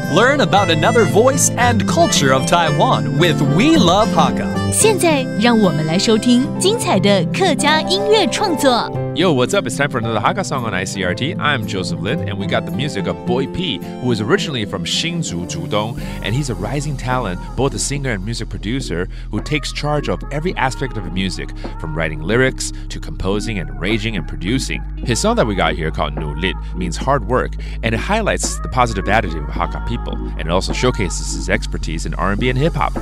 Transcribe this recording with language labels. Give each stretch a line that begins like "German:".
English: Learn about another voice and culture of Taiwan with We Love Hakka.
Chinese: 现在让我们来收听精彩的客家音乐创作。
English: Yo, what's up? It's time for another Hakka song on ICRT. I'm Joseph Lin, and we got the music of Boiii P, who is originally from Xinzhu, Zhudong, and he's a rising talent, both a singer and music producer, who takes charge of every aspect of music, from writing lyrics to composing and arranging and producing. His song that we got here called 努力 means hard work, and it highlights the positive attitude of Hakka people, and it also showcases his expertise in R&B and hip-hop.